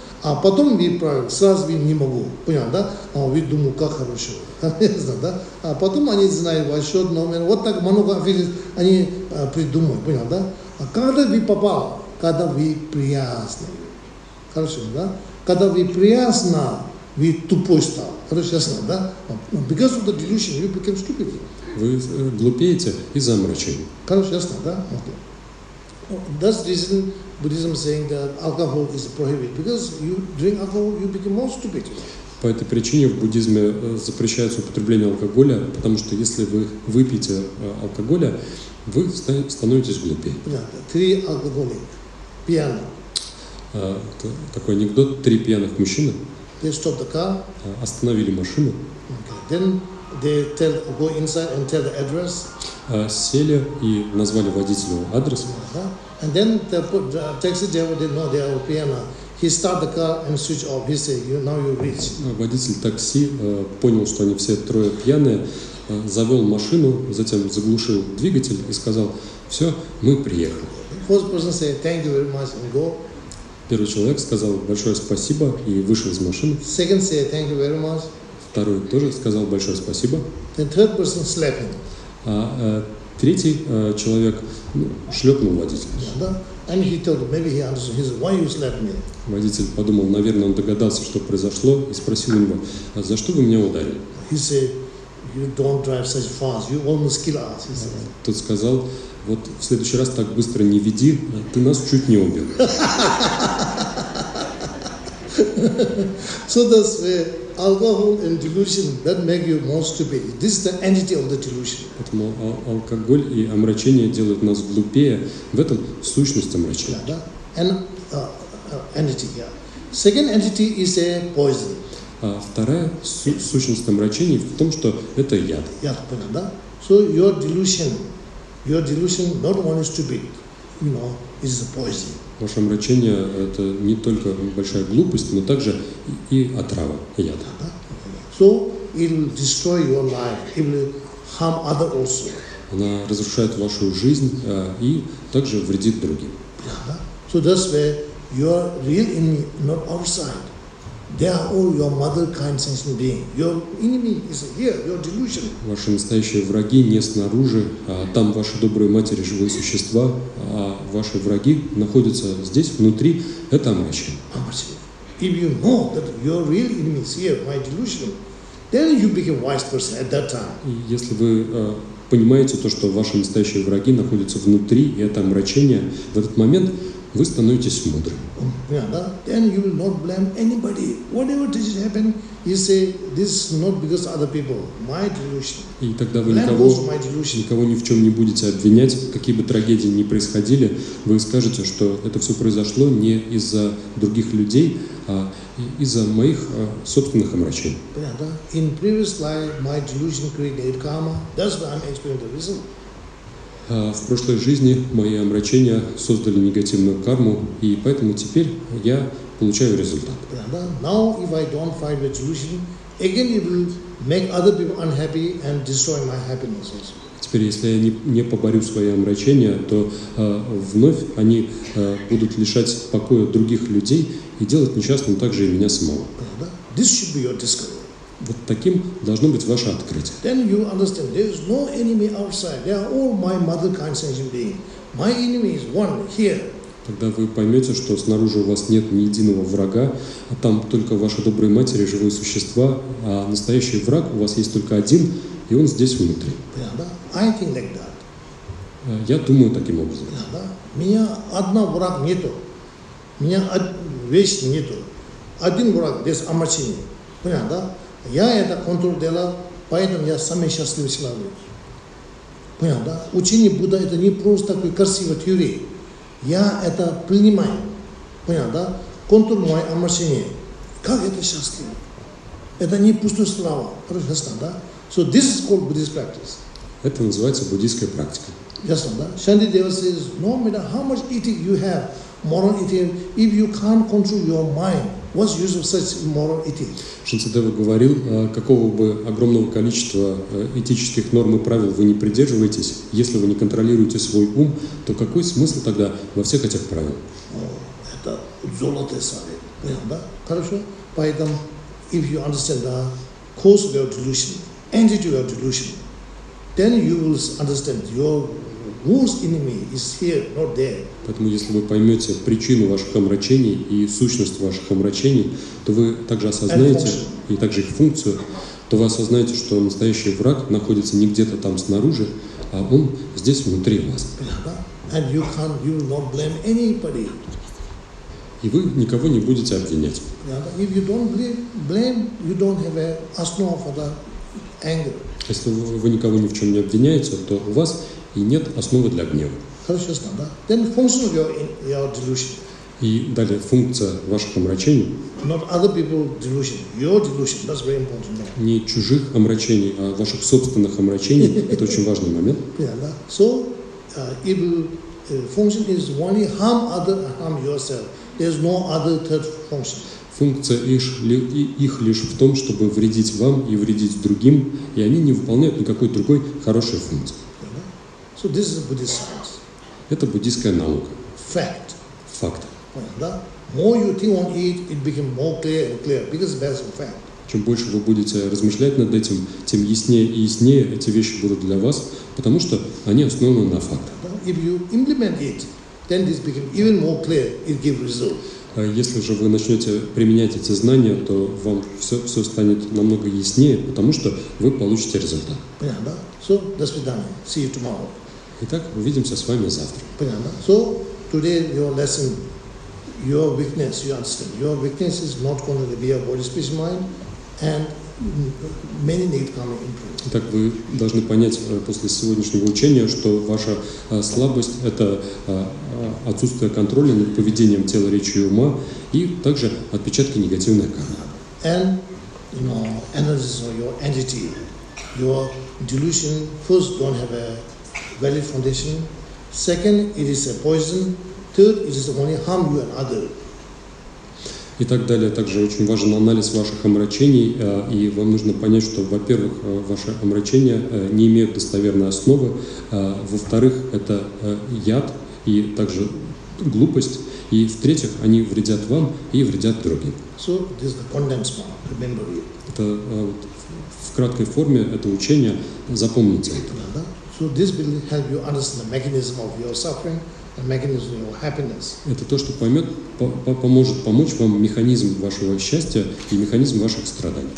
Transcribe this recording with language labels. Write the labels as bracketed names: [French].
[Russian] а потом вы правильно, сразу вы не могу, понял, да, а вы думаете, как хорошо, да, а потом они знают ваш счет, номер, вот так много видят, они придумывают, понял, да, а когда вы попал, когда вы приятны, хорошо, да, когда вы приятны, вы тупой стал. Хорошо, ясно, да? [English] Because of the delusion, you become stupid. [Russian] Вы глупеете из-за омрачения. Хорошо, ясно, да? [English] Okay. That's the reason Buddhism saying that alcohol is prohibited. Because you drink alcohol, you become more stupid. [Russian] По этой причине в буддизме запрещается употребление алкоголя, потому что если вы выпьете алкоголя, вы становитесь глупее. Понятно. Три алкоголика. Пьяный. Такой анекдот. Три пьяных мужчины. [English] They stop the car. [Russian] Остановили машину. [English] Okay. Then they tell go inside and tell the address. [Russian] Сели и назвали водителю адрес. Uh-huh. [English] And then the taxi driver didn't know they are piano. He start the car and switch off. He say, you now you rich. [Russian] Водитель такси понял, что они все трое пьяные, завел машину, затем заглушил двигатель и сказал, все, мы приехали. [English] First person say thank you very much and go. [Russian] Первый человек сказал большое спасибо и вышел из машины. [English] Second say thank you very much. [Russian] Второй тоже сказал большое спасибо. [English] The third person slapping. [Russian] Третий человек шлепнул водителя. [English] And he told maybe he understood. He said, why you slap me? [Russian] Водитель подумал, наверное, он догадался, что произошло, и спросил у него, а за что вы меня ударили? [English] He said, you don't drive such fast. You almost kill us. He said. [Russian] Тот сказал. Вот в следующий раз так быстро не веди, ты нас чуть не убил. [English] So that's where alcohol and delusion that make you more stupid. This is the entity of the delusion. [Russian] Поэтому алкоголь и омрачение делают нас глупее. В этом сущность омрачения. Да. [English] And entity. Yeah. Second entity is a poison. [Russian] А вторая сущность омрачения в том, что это яд. Яд, понял, да? [English] So your delusion. Your delusion not only stupid, you know, is a poison. [Russian] Ваше омрачение – это не только большая глупость, но также и отрава, яд. [English] So it will destroy your life, it will harm other also. [Russian] Она разрушает вашу жизнь и также вредит другим. [English] So that's where your real enemy, not outside. They are all your mother kind sensing being. Your enemy is here, your delusion. [Russian] Ваши настоящие враги не снаружи, а там ваши добрые матери, живые существа, а ваши враги находятся здесь, внутри. Это омрачение. Омрачение. [English] If you know that your real enemy is here, my delusion, then you become wise person at that time. [Russian] Если вы понимаете то, что ваши настоящие враги находятся внутри, и это омрачение, в этот момент вы становитесь мудрым. [English] Yeah, да? Then you will not blame anybody. Whatever does happen, you say this is not because other people. My delusion. [Russian] И тогда вы никого ни в чем не будете обвинять, какие бы трагедии ни происходили, вы скажете, что это все произошло не из-за других людей, а из-за моих собственных омрачений. Yeah, да? [English] In previous life, my delusion created karma. That's why I'm explaining the reason. [Russian] в прошлой жизни мои омрачения создали негативную карму, и поэтому теперь я получаю результат. [English] Now, if I don't find a solution, again it will make other people unhappy and destroy my happiness also. [Russian] Теперь, если я не поборю свои омрачения, то вновь они будут лишать покоя других людей и делать несчастным также и меня самого. [English] This should be your discovery. [Russian] Вот таким должно быть ваше открытие. [English] Then you understand, there is no enemy outside. They are all my mother kind sentient being. My enemy is one here. [Russian] Тогда вы поймете, что снаружи у вас нет ни единого врага, а там только ваши добрые матери, живые существа, а настоящий враг у вас есть только один, и он здесь внутри. I think like that. Я думаю таким образом. Меня одна враг нету. Меня вещь нету. Один враг без омрачения. Понятно? Я это контроль делал, поэтому я самый счастливый человек. Понятно? Учение Будда это не просто такой красивый теорий. Я это принимаю. Понятно? Контроль мой омрачения. Как это счастливо? Это не пустое слово. Хорошо, да? [English] So this is called Buddhist practice. [Russian] Это называется буддийская практика. Ясно, да? [English] Шанти Дева says, no matter how much eating you have, moral eating, if you can't control your mind, what's use of such moral eating? [Russian] Шанти Дева говорил, какого бы огромного количества этических норм и правил вы не придерживаетесь, если вы не контролируете свой ум, то какой смысл тогда во всех этих правилах? Это золотой совет. Понятно, да? Хорошо? Поэтому, [English] if you understand the cause of your delusion, end it to your delusion, then you will understand your worst enemy is here, not there. [Russian] Поэтому, если вы поймете причину ваших омрачений и сущность ваших омрачений, то вы также осознаете и также их функцию, то вы осознаете, что настоящий враг находится не где-то там снаружи, а он здесь внутри вас. [English] And you will not blame anybody. [Russian] И вы никого не будете обвинять. [English] If you don't blame, you don't have a [Russian] основа [English] for the anger. [Russian] Если вы никого ни в чем не обвиняете, то у вас и нет основы для гнева. Хорошо, ясно, да? [English] Then function of your delusion. [Russian] И далее функция ваших омрачений. [English] Not other people's delusion, your delusion, that's very important. Yeah. [Russian] Не чужих омрачений, а ваших собственных омрачений. Это очень важный момент. [English] Yeah, да. So, if function is only harm other, harm yourself, there's no other third function. [Russian] Функция их лишь в том, чтобы вредить вам и вредить другим, и они не выполняют никакой другой хорошей функции. [English] So this is a Buddhist science. [Russian] Это буддийская наука. [English] Fact. [Russian] Факт. [English] More you think on it, it becomes more clear and clear, because that's a fact. [Russian] Чем больше вы будете размышлять над этим, тем яснее и яснее эти вещи будут для вас, потому что они основаны на фактах. [English] If you implement it, then this becomes even more clear, it gives results. [Russian] Если же вы начнете применять эти знания, то вам все станет намного яснее, потому что вы получите результат. Понятно, да? [English] So, [Russian] до свидания. [English] See you tomorrow. [Russian] Итак, увидимся с вами завтра. Понятно, да? [English] So, today your lesson, your weakness, you understand. Your weakness is not going to be a body, speech, mind, and many need karma imprint. [Russian] Итак, вы должны понять после сегодняшнего учения, что ваша слабость – это отсутствие контроля над поведением тела, речи и ума, и также отпечатки негативной кармы. [English] And, you know, analysis of your entity, your delusion, first, don't have a valid foundation. Second, it is a poison. Third, it is only harm you and others. [Russian] И так далее. Также очень важен анализ ваших омрачений, и вам нужно понять, что, во-первых, ваши омрачения не имеют достоверной основы, во-вторых, это яд и также глупость, и, в-третьих, они вредят вам и вредят другим. [English] So, this is the condensed part. Remember it. [Russian] Это вот, в краткой форме это учение. Запомните это. [English] So, this will help you understand the mechanism of your suffering. Mechanism of happiness. [Russian] Это то, что поймет, поможет помочь вам механизм вашего счастья и механизм ваших страданий.